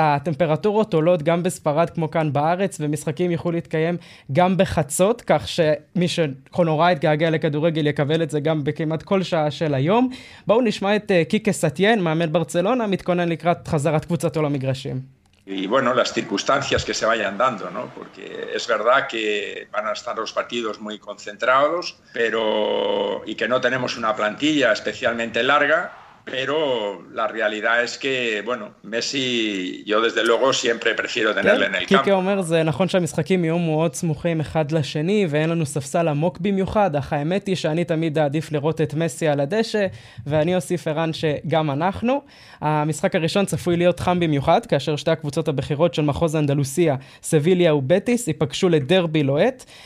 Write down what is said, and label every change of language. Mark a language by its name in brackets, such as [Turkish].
[Hebrew] הטמפרטורות עולות גם בספרד כמו כאן בארץ, ומשחקים יוכלו להתקיים גם בחצות, כך שמי שנורא התגעגע לכדורגל יקבל את זה גם בכמעט כל שעה של היום. בואו נשמע את קיקה סטיין, מאמן ברצלונה, מתכונן לקראת חזרת קבוצתו למגרשים. [Spanish] Y bueno, las circunstancias que se vayan dando, ¿no? Porque es verdad que van a estar los partidos muy concentrados, pero y que no tenemos una plantilla especialmente larga, pero la realidad es que, bueno, Messi, yo desde luego siempre prefiero tenerle en el campo. [Hebrew] קיקה אומר, זה נכון שהמשחקים יהיו מאוד סמוכים אחד לשני, ואין לנו ספסל עמוק במיוחד, אך האמת היא שאני תמיד אעדיף לראות את מסי על הדשא, ואני אוסיף ערן שגם אנחנו. המשחק הראשון צפוי להיות חם במיוחד, כאשר שתי הקבוצות הבחירות של מחוז אנדלוסיה, סביליה ובטיס, ייפגשו לדרבי לוהט.